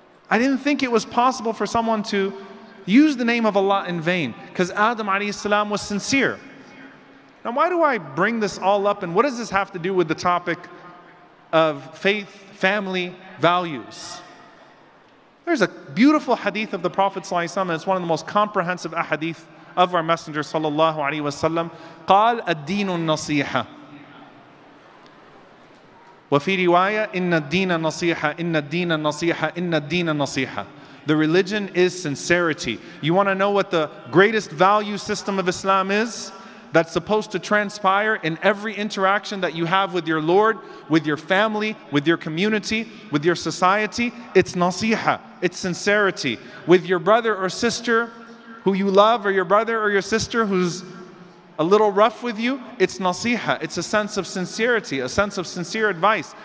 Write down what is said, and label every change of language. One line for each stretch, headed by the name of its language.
English: I didn't think it was possible for someone to use the name of Allah in vain, because Adam alayhi salam was sincere. Now why do I bring this all up, and what does this have to do with the topic of faith, family, values? There's a beautiful hadith of the Prophet ﷺ. It's one of the most comprehensive ahadith of our Messenger sallallahu alaihi wasallam.
Arabic: قال الدين النصيحة وفي رواية إن الدين النصيحة إن الدين النصيحة إن الدين النصيحة.
English: The religion is sincerity. You want to know what the greatest value system of Islam is? That's supposed to transpire in every interaction that you have with your Lord, with your family, with your community, with your society. It's nasiha, it's sincerity. With your brother or sister who you love, or your brother or your sister who's a little rough with you, it's nasiha, it's a sense of sincerity, a sense of sincere advice.